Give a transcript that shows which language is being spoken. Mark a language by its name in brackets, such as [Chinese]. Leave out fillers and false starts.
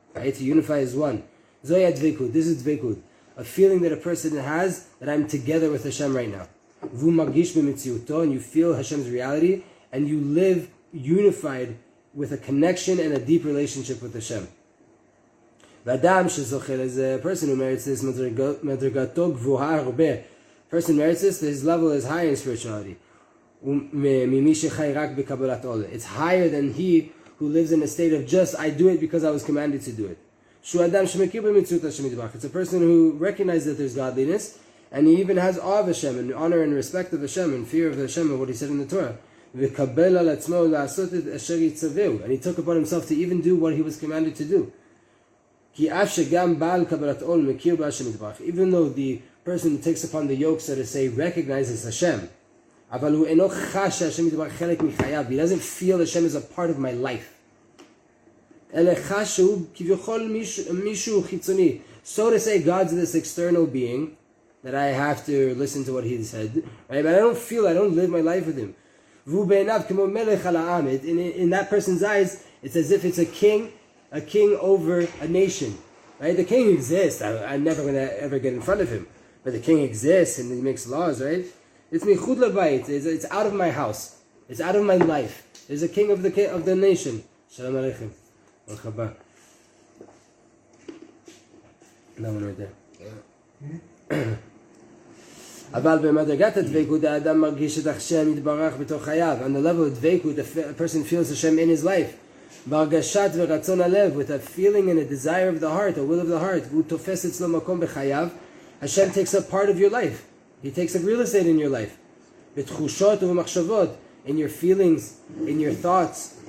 [English] Right, to unify as one. Zoya dveikut. This is dveikut. A feeling that a person has that I'm together with Hashem right now. [Hebrew] Vu magish b'mitziuto, [English] and you feel Hashem's reality, and you live unified with a connection and a deep relationship with Hashem. [Hebrew] ואדם שזוכה לזה, [English] person who merits this, [Hebrew] מדרגתו גבוהה הרבה. [English] Person merits this, his level is higher in spirituality. [Hebrew] ממי שחי רק בקבלת עול. [English] It's higher than he who lives in a state of just, I do it because I was commanded to do it. [Hebrew] שהוא אדם שמכיר במציאות השם יתברך. [English] It's a person who recognizes that there's godliness, and he even has awe of Hashem, and honor and respect of Hashem, and fear of Hashem, and what he said in the Torah. [Hebrew] וקבל על עצמו לעשות את אשר יצווהו. [English] And he took upon himself to even do what he was commanded to do. [Hebrew] כי אף שגם בעל קבלת עול מכיר בהשם יתברך, [English] even though the person who takes upon the yoke, so to say, recognizes Hashem, [Hebrew] אבל הוא אינו חש שהשם יתברך חלק מחייו, [English] he doesn't feel Hashem is a part of my life. [Hebrew] אלא חש שהוא כביכול מישהו חיצוני. [English] So to say, God's this external being, that I have to listen to what he said, right? But I don't feel, I don't live my life with him. [Hebrew] והוא בעיניו כמו מלך על העם, [English] in that person's eyes, it's as if it's a king over a nation, right? The king exists. I'm never going to ever get in front of him. But the king exists and he makes laws, right? It's [Hebrew] mechud lebayit. [English] It's out of my house. It's out of my life. There's a king of the nation. [Hebrew] Shalom aleichem. Baruch haba. [English] That one right there. [Hebrew] אבל במדרגת הדבקות האדם מרגיש את השם יתברך בתוך חייו. [English] On the level of דבקות, a person feels Hashem in his life. [Hebrew] בהרגשת ורצון הלב, [English] with a feeling and a desire of the heart, a will of the heart, [Hebrew] והוא תופס אצלו מקום בחייו, [English] Hashem takes up part of your life. He takes up real estate in your life. [Hebrew] בתחושות ובמחשבות, [English] in your feelings, in your thoughts.